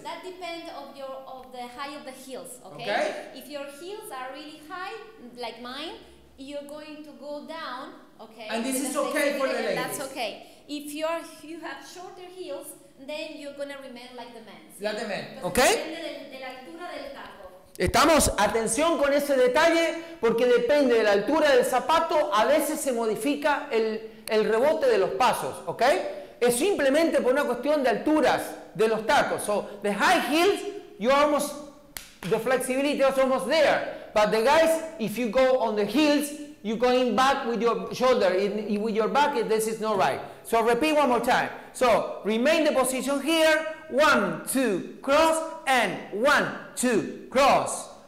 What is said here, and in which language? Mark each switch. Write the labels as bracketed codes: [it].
[en] That depends of the height of the heels, okay? Okay? If your heels are really high, like mine, you're going to go down, okay? And this is okay for the ladies. That's okay. If you're, you have shorter heels, then you're going to remain like the men. Like the men, [es] okay? Depende de la altura del taco. ¿Estamos? Atención con ese detalle, porque depende de la altura del zapato, a veces se modifica el rebote de los pasos, ¿ok? Es simplemente por una cuestión de alturas de los tacos. [en] So, the high heels, you almost, the flexibility is almost there. But the guys, if you go on the heels, You're going back with your shoulder. With your back, this is not right. So repeat one more time. So remain the position here. One, two, cross, and one, two, cross.